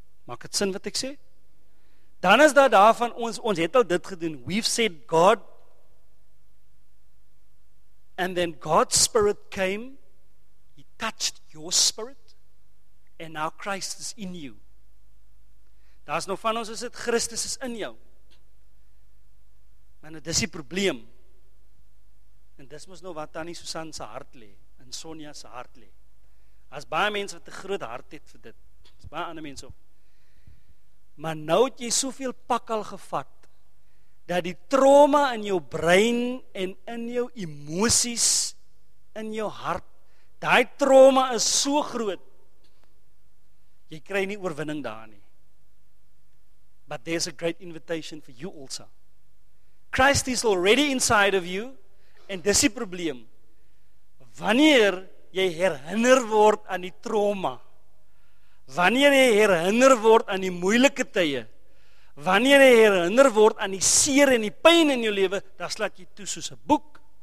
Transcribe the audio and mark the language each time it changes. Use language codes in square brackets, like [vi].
[af] Maak het sin wat ek sê? Dan is daar daarvan ons het al dit gedoen. [en] We've said God and then God's spirit came, He touched your spirit and now Christ is in you. [af] Daar is nou van ons is het, Christus is in jou. Maar dit is die probleem. En dis mos nou wat Tannie Susan se hart lê en Sonja se hart lê. As baie mense wat 'n groot hart het vir dit. Dis baie ander mense ook. Maar nou het jy soveel pak al gevat dat die trauma in jou brein en in jou emosies in jou hart, daai trauma is so groot. Jy kry nie oorwinning daar nie. [en] But there's a great invitation for you also. Christ is already inside of you. [af] En dis die probleem. Wanneer jy herinner word aan die trauma, wanneer jy herinner word aan die moeilike tye, wanneer jy herinner word aan die seer en die pyn in jou lewe, dan slaat jy toe soos 'n boek.